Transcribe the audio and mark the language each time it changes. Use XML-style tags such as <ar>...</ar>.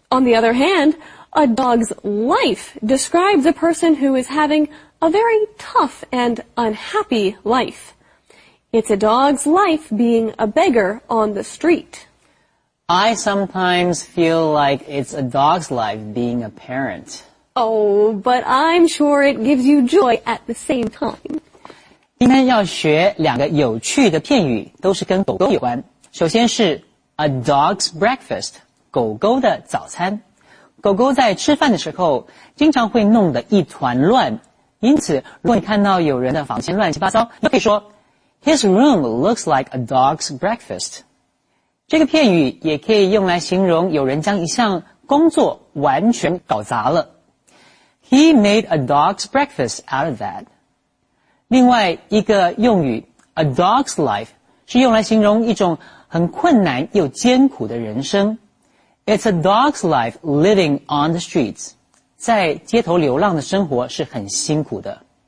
<en>On the other hand, a dog's life describes a person who is having a very tough and unhappy life. It's a dog's life being a beggar on the street. I sometimes feel like it's a dog's life being a parent. Oh, but I'm sure it gives you joy at the same time.</en> <zh>今天要学两个有趣的片语，都是跟狗狗有关。首先是 a dog's breakfast, 狗狗的早餐。狗狗在吃饭的时候经常会弄得一团乱，因此如果你看到有人的房间乱七八糟，你可以说</zh> <en>his room looks like a dog's breakfast。</en> <zh>这个片语也可以用来形容有人将一项工作完全搞砸了。</zh> <en>He made a dog's breakfast out of that。</en> <zh>另外一个用语 ,a dog's life, 是用来形容一种很困难又艰苦的人生。</zh> <en>It's a dog's life living on the streets.</en> <zh>在街头流浪的生活是很辛苦的。</zh>